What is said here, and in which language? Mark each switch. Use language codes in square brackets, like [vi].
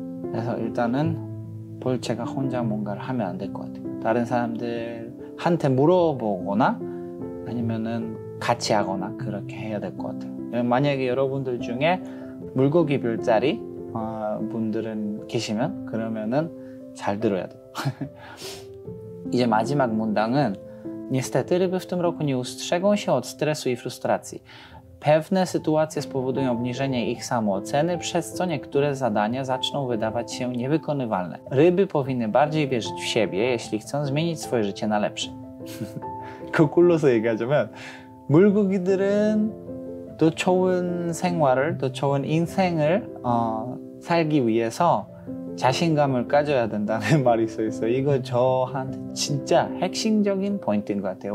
[ko] 그래서 일단은 볼체가 혼자 뭔가를 하면 안 될 것 같아요. 다른 사람들한테 물어보거나 아니면은 같이 하거나 그렇게 해야 될 것 같아요. 만약에 여러분들 중에 물고기 별자리 분들은 계시면 그러면은 잘 들어야 돼요. 이제 마지막 문장은 [pl] Niestety ryby w tym roku nie ustrzegą się od stresu i frustracji. Pewne sytuacje spowodują obniżenie ich samooceny, przez co niektóre zadania zaczną wydawać się niewykonywalne. Ryby powinny bardziej wierzyć w siebie, jeśli chcą zmienić swoje życie na lepsze. [ko] 거꾸로서 얘기하자면 물고기들은 더 좋은 생활을, 더 좋은 인생을 살기 위해서 자신감을 가져야 된다는 말이 써있어요. 이거 저한테 진짜 핵심적인 포인트인 것 같아요.